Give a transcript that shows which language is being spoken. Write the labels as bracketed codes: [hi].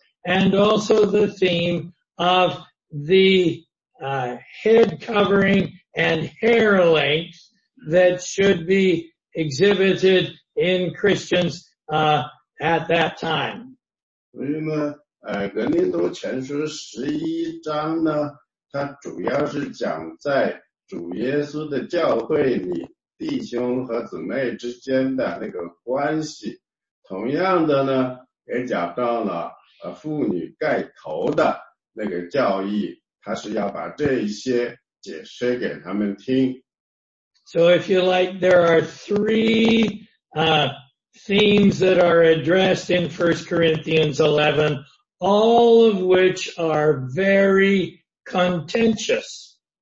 [en] And also the theme of the head covering and hair length that should be exhibited in Christians at that time. [zh] 所以呢，格林多前书十一章呢，它主要是讲在主耶稣的教会里弟兄和姊妹之间的那个关系。同样的呢，也讲到了。妇女盖头的那个教义，他是要把这些解释给他们听。 [en] So if you like, there are three themes that are addressed in 1 Corinthians 11, all of which are very contentious.